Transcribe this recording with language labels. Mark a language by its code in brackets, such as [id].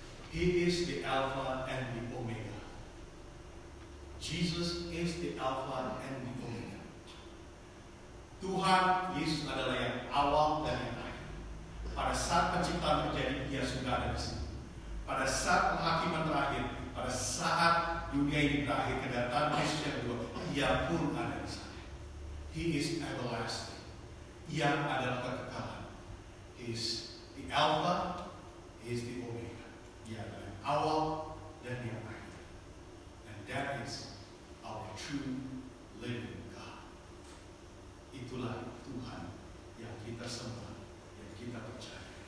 [en] He is the Alpha and the Omega. Jesus is the Alpha and the Omega. [id] Tuhan Yesus adalah yang awal dan yang akhir. Pada saat penciptaan terjadi, Dia sudah ada di sini. Pada saat penghakiman terakhir, pada saat dunia ini berakhir, kedatangan Yesus yang kedua, Dia pun ada di sana. [en] He is everlasting. [id] Ia adalah kekekalan. [en] He is the Alpha, He is the Omega. [id] Dia adalah yang awal dan yang akhir. [en] And that is our true living. [id] Itulah Tuhan yang kita sembah, yang kita percaya.